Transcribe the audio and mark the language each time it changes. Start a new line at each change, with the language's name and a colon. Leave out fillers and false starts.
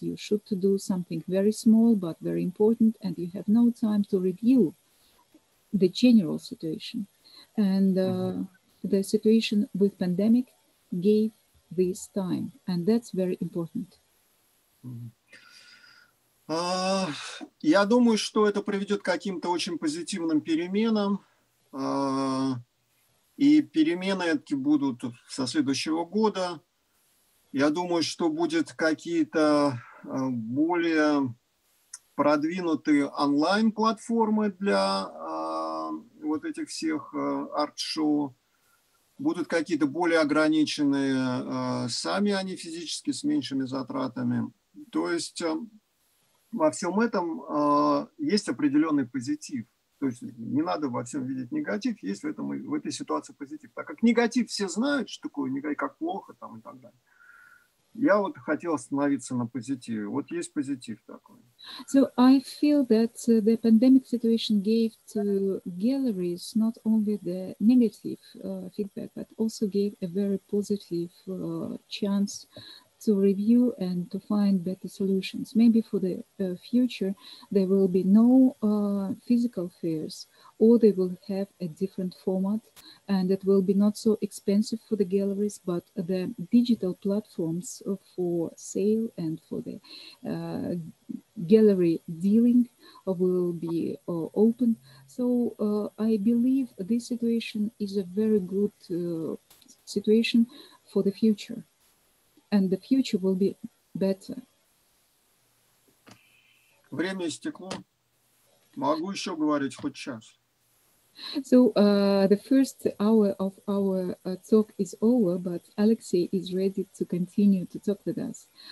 English: You should do something very small but very important, and you have no time to review the general situation. And the situation with pandemic gave this time, and that's very important.
Russian: Я думаю, что это приведет к каким-то очень позитивным переменам. И перемены эти будут со следующего года. Я думаю, что будут какие-то более продвинутые онлайн-платформы для вот этих всех арт-шоу. Будут какие-то более ограниченные сами они физически с меньшими затратами. То есть во всем этом есть определенный позитив. То есть не надо во всем видеть негатив, есть в этой ситуации позитив. Так как негатив все знают, что такое негатив, как плохо там и так далее. Я вот хотел остановиться на позитиве. Вот есть позитив такой.
English: So I feel that the pandemic situation gave to galleries not only the negative feedback, but also gave a very positive chance to review and to find better solutions. Maybe for the future, there will be no physical fairs, or they will have a different format, and it will be not so expensive for the galleries, but the digital platforms for sale and for the gallery dealing will be open. So I believe this situation is a very good situation for the future. And the future will be better.
Russian: Время истекло. Могу еще говорить хоть час.
English: So the first hour of our talk is over, but Alexey is ready to continue to talk with us.